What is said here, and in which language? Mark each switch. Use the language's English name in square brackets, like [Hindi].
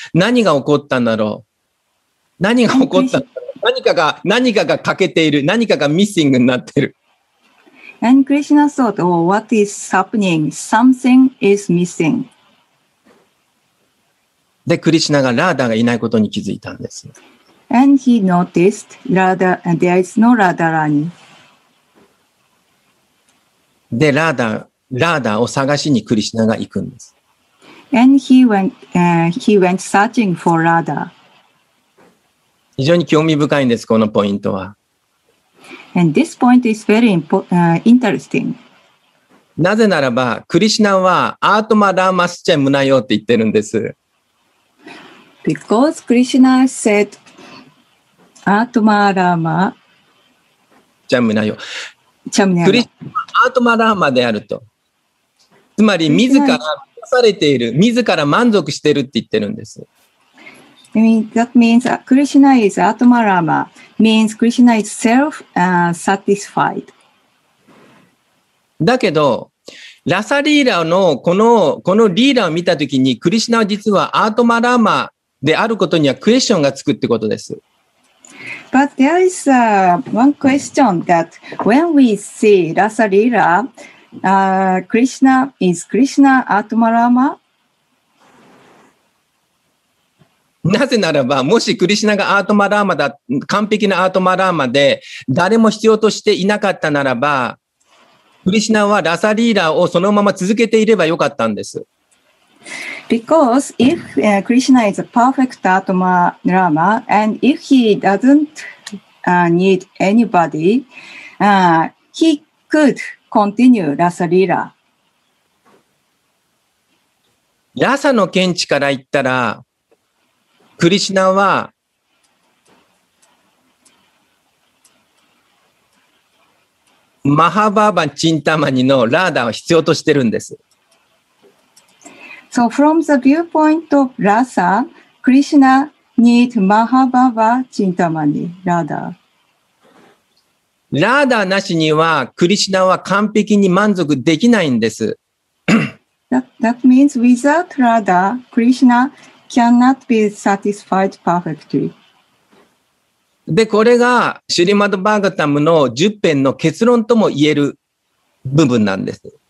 [Japanese] 何が起こったんだろう。何が起こったんだろう。何かが欠けている。何かがミッシングになってる。 [English] And Krishna thought, oh, what is happening? Something is missing. [Japanese] で、クリシナがラーダがいないことに気づいたんです。 [English] And he noticed, Radha, there is no Radharani. [Japanese] で、ラーダを探しにクリシナが行くんです。 [English] And he went searching for Radha. [Japanese] 非常に興味深いんです、このポイントは。 [English] And this point is very interesting. [Japanese] なぜならば、クリシナはアートマラーマスチェムナヨって言ってるんです。 [English] Because Krishna said, アートマラーマチェムナヨ。チェムナヨ。 [Japanese] クリシナはアートマラーマであると。つまり、自ら満たされている、自ら満足しているって言ってるんです。 [English] I mean, that means Krishna is Atma Rama, means Krishna is self, satisfied. [Japanese] だけど、ラサリーラのこのリーラを見たときに、クリシナは実はアートマラーマであることにはクエスチョンがつくってことです。 [English] But there is one question that when we see ラサリーラ, Krishna is Krishna Atma Rama? [Japanese] なぜならば、もしクリシナがアートマラーマだ、完璧なアートマラーマで、誰も必要としていなかったならば、クリシナはラサリーラをそのまま続けていればよかったんです。 [English] Because if Krishna is a perfect Atma Rama, and if he doesn't need anybody, he could continue ラサリーラ。 [Japanese] ラサの見地から言ったら、クリシナはマハバーバチンタマニのラーダを必要としてるんです。 [English] So from the viewpoint of Rasa, Krishna need Mahabhava Chintamani Radha. [Japanese] ラーダなしにはクリシナは完璧に満足できないんです。 [English] That means without Radha, Krishna cannot be satisfied perfectly. [Japanese] で、これがシュリマド・バーガタムの10編の結論とも言える部分なんです。